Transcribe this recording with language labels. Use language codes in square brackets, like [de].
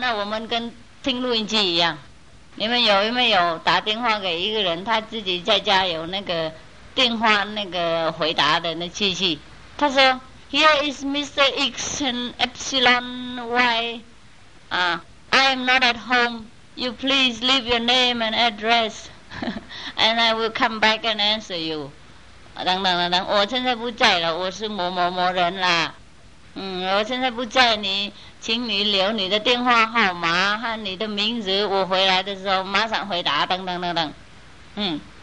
[zh] 今天体验得到好的时间，明天坏的时间，今天平和，明天不平和，嗯，为了这个录音机在我们头脑里面，它根本不会选择好，不会选择坏，它就录起来以后，慢慢的发出去，啊，跟那个录音机完全一样。所以如果我们都听它的话的话，那我们跟听录音机一样。你们有没有打电话给一个人，他自己在家有那个电话那个回答的那机器？他说 ， [en] Here is Mr. X and Epsilon Y， 啊、，I am not at home. You please leave your name and address, and I will come back and answer you. [zh] 等等等等，我现在不在了，我是某某某人啦。嗯，我现在不在你。请你留你的电话号码和你的名字，我回来的时候马上回答，等等等等，嗯。